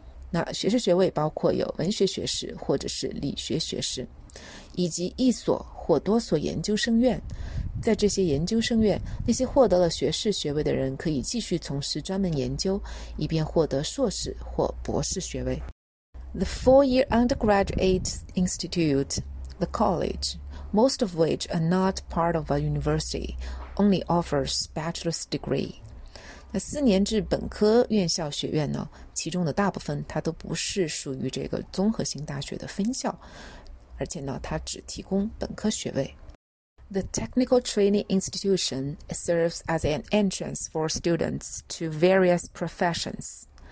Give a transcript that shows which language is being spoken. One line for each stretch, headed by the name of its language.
Chinese: 那学士学位包括有文学学士或者是理学学士，以及一所或多所研究生院。在这些研究生院，那些获得了学士学位的人可以继续从事专门研究，以便获得硕士或博士学位。
English: The four-year undergraduate institute, the college, most of which are not part of a university, only offers bachelor's degree.
Chinese: 那4年制本科院校学院呢？其中的大部分它都不是属于这个综合性大学的分校，而且呢，它只提供本科学位。
English: The technical training institution serves as an entrance for students to various professions.